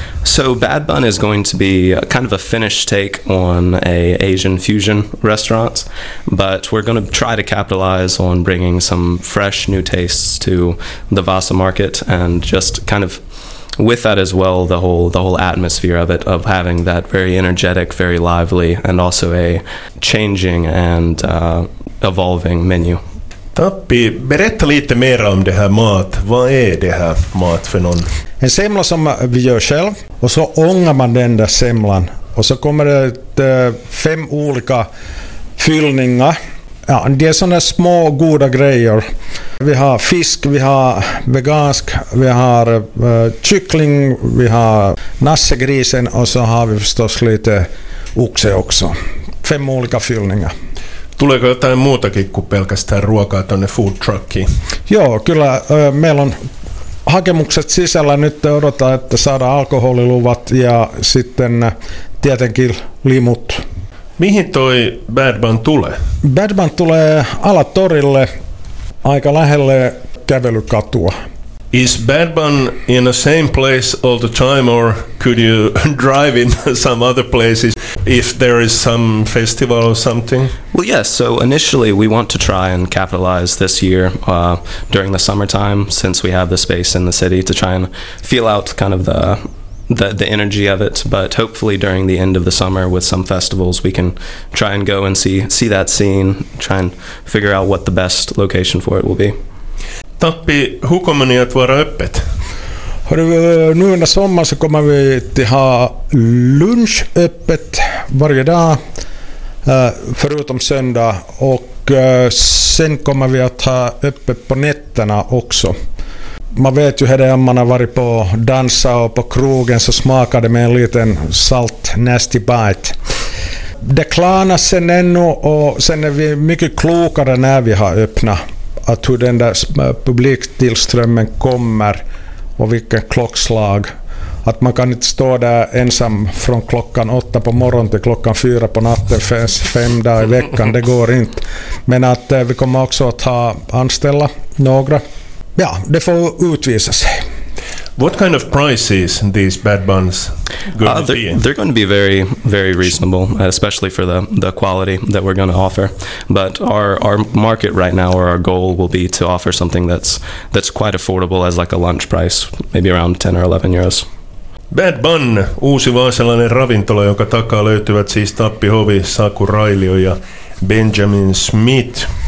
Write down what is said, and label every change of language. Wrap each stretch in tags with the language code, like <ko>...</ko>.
<en>So Bad Bun is going to be kind of a Finnish take on a Asian fusion restaurant, but we're going to try to capitalize on bringing some fresh new tastes to the Vaasa market, and just kind of with that as well, the whole atmosphere of it, of having that very energetic, very lively, and also a changing and evolving menu.</en> <sv>Tappi, berätta lite mer om det här mat. Vad är det här mat för någon? En semla som vi gör själv, och så ångar man den där semlan. Och så kommer det fem olika fyllningar. Ja, det är sådana små goda grejer. Vi har fisk, vi har vegansk, vi har kyckling, vi har nassegrisen och så har vi förstås lite oxe också. Fem olika fyllningar.</sv> <fi>Tuleeko jotain muutakin kuin pelkästään ruokaa tänne food truckiin? Joo, kyllä. Meillä on hakemukset sisällä. Nyt odotetaan, että saadaan alkoholiluvat ja sitten tietenkin limut. Mihin toi Bad Bun tulee? Bad Bun tulee Alatorille, aika lähelle kävelykatua.</fi> <en>Is Bad Bun in the same place all the time, or could you drive in some other places if there is some festival or something? Well, yes. So initially, we want to try and capitalize this year during the summertime, since we have the space in the city, to try and feel out kind of the energy of it, but hopefully during the end of the summer with some festivals we can try and go and see that scene, try and figure out what the best location for it will be.</en> <sv>Tappi, hur kommer ni att vara öppet? Nu under sommar så kommer vi att ha lunch öppet varje dag förutom söndag, och sen kommer vi att ha öppet på nätterna också. Man vet ju hur det är, man har varit på dansa och på krogen så smakar det med en liten salt nasty bite. Det klarnar sen ännu, och sen är vi mycket klokare när vi har öppnat. Att hur den där publiktillströmmen kommer och vilken klockslag. att man kan inte stå där ensam från klockan 8 på morgonen till klockan 4 på natten, 5 dagar i veckan, det går inte. Men att vi kommer också att ha anställa några. Ja, det får utvisa sig.</sv> <en>What kind of prices these bad buns going to be? They're going to be very, very reasonable, especially for the quality that we're going to offer. But our market right now, or our goal, will be to offer something that's quite affordable as like a lunch price, maybe around 10 or 11 euros.</en> <fi>Bad Bun, uusi vaasalainen ravintola, jonka takaa löytyvät siis Tappi Hovi, Saku Railio ja Benjamin Smith.</fi>